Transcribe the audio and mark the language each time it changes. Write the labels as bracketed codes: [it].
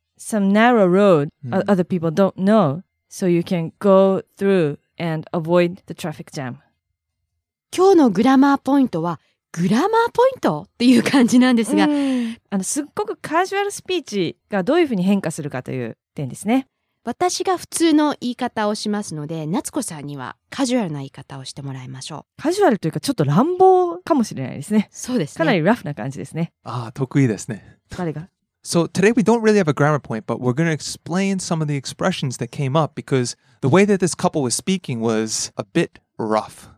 [en] Some narrow road other people don't know, so you can go through and avoid the traffic jam. [ja] 今日のグラマーポイントはグラマーポイントっていう感じなんですが、すっごくカジュアルスピーチがどういうふうに変化するかという点ですね。私が普通の言い方をしますので、夏子さんにはカジュアルな言い方をしてもらいましょう。カジュアルというかちょっと乱暴かもしれないですね。そうですね。かなりラフな感じですね。ああ、得意ですね。誰が？ [en] So today we don't really have a grammar point, but we're going to explain some of the expressions that came up because the way that this couple was speaking was a bit rough.